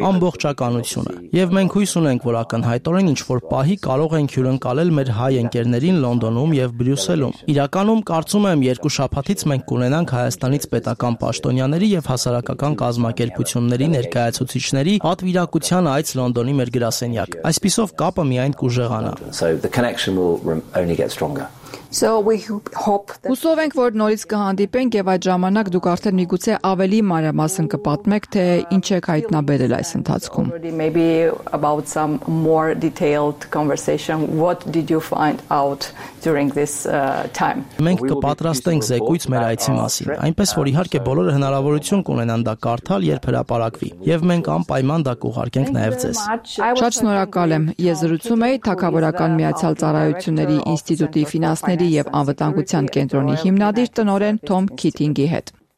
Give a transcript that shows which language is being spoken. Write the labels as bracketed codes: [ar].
[hy] ամբողջականությունը։ Եվ մենք հույս ունենք, որ ակնհայտորեն ինչ որ պահի կարող ենք հյուրընկալել մեր հայ ընկերներին Լոնդոնում եւ Բրյուսելում։ Իրականում կարծում եմ, երկու շաբաթից մենք կունենանք Հայաստանից պետական պաշտոնյաների եւ հասարակական կազմակերպությունների ներկայացուցիչների հատվիրակության այց Լոնդոնի մեր գրասենյակ։ Այսպիսով կապը միայն կուժեղանա։ [en] Only get stronger. So we hope that [hy] Ուսով ենք, որ նորից կհանդիպենք եւ այդ ժամանակ դուք արդեն միգուցե ավելի մանրամասն կպատմեք, թե ինչ եք հայտնաբերել այս ընթացքում. [en] Maybe about some more detailed conversation. What did you find out during this time? [hy] Մենք կպատրաստենք զեկույց մեր այցի մասին, այնպես որ իհարկե բոլորը հնարավորություն կունենան դա կարդալ, երբ հրապարակվի, եւ մենք անպայման դա կուղարկենք նաեւ ձեզ։ Շատ շնորհակալ եմ։ Ես զրուցում եի Թագավորական Միացյալ Ծառայությունների Ինստիտուտի ֆինանս ների եւ անվտանգության կենտրոնի հիմնադիր տնորեն Թոմ Քիթինգի հետ։